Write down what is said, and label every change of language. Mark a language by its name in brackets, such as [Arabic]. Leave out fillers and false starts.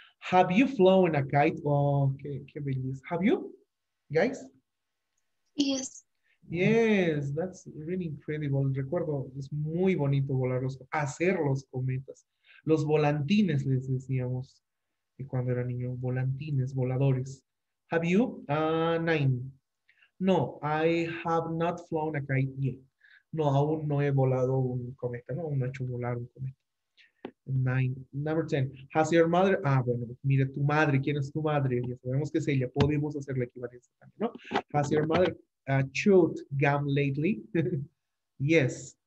[English] Have you flown a kite? Oh, [Spanish] qué belleza. [English] Have you, guys? Yes. Yes, that's really incredible. [Spanish] Recuerdo, es muy bonito volarlos, hacer los cometas. Los volantines, les decíamos, y cuando era niño, volantines, voladores. [English] Have you? Nine. No, I have not flown a kite yet. [Spanish] No, aún no he volado un cometa, ¿no? Aún no he hecho volar un cometa. [English] Nine. Number ten. Has your mother? [Spanish] Ah, bueno, mire, tu madre. ¿Quién es tu madre? Ya sabemos que es ella. Podemos hacer la equivalencia también, ¿no? [English] Has your mother chewed gum lately? Yes.